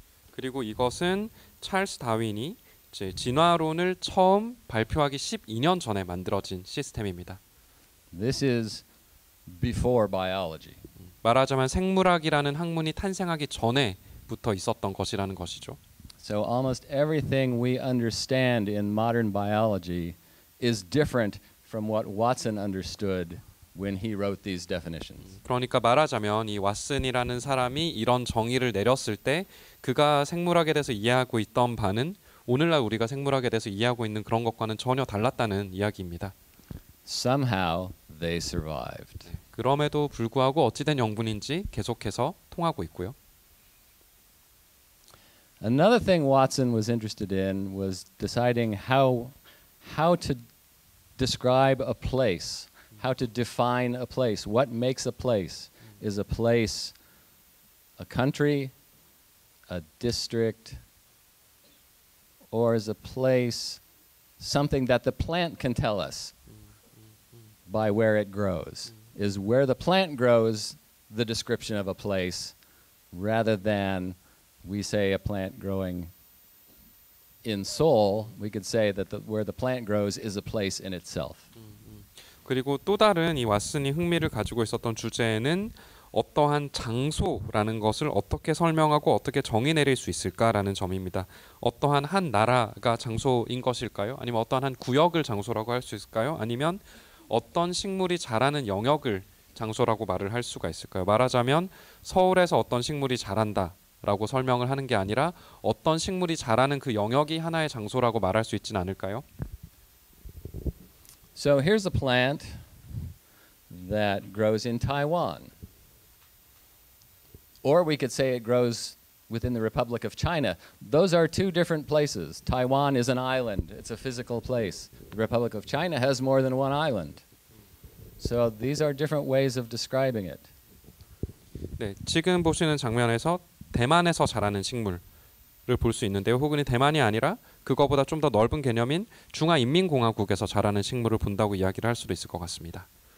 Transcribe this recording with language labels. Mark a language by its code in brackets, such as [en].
[ko] 그리고 이것은 찰스 다윈이 이제 진화론을 처음 발표하기 12년 전에 만들어진 시스템입니다. [en] This is before biology. [ko] 말하자면 생물학이라는 학문이 탄생하기 전에부터 있었던 것이라는 것이죠. [en] So almost everything we understand in modern biology is different from what Watson understood when he wrote these definitions. [ko] 그러니까 말하자면 이 왓슨이라는 사람이 이런 정의를 내렸을 때 그가 생물학에 대해서 이해하고 있던 바는 오늘날 우리가 생물학에 대해서 이해하고 있는 그런 것과는 전혀 달랐다는 이야기입니다. [en] Somehow they survived. [ko] 그럼에도 불구하고 어찌된 영분인지 계속해서 통하고 있고요. [en] Another thing Watson was interested in was deciding how to describe a place. How to define a place. What makes a place? Is a place a country, a district, or is a place something that the plant can tell us by where it grows? Is where the plant grows the description of a place rather than we say a plant growing in Seoul, we could say that where the plant grows is a place in itself. [ko] 그리고 또 다른 이 왓슨이 흥미를 가지고 있었던 주제는 어떠한 장소라는 것을 어떻게 설명하고 어떻게 정의 내릴 수 있을까라는 점입니다. 어떠한 한 나라가 장소인 것일까요? 아니면 어떠한 한 구역을 장소라고 할 수 있을까요? 아니면 어떤 식물이 자라는 영역을 장소라고 말을 할 수가 있을까요? 말하자면 서울에서 어떤 식물이 자란다라고 설명을 하는 게 아니라 어떤 식물이 자라는 그 영역이 하나의 장소라고 말할 수 있진 않을까요? [en] So here's a plant that grows in Taiwan. Or we could say it grows within the Republic of China. Those are two different places. Taiwan is an island. It's a physical place. The Republic of China has more than one island. So these are different ways of describing it. [ko] 네, 지금 보시는 장면에서 대만에서 자라는 식물을 볼 수 있는데요. 혹은 대만이 아니라 그거보다 좀 더 넓은 개념인 중화인민공화국에서 자라는 식물을 본다고 이야기를 할 수도 있을 것 같습니다.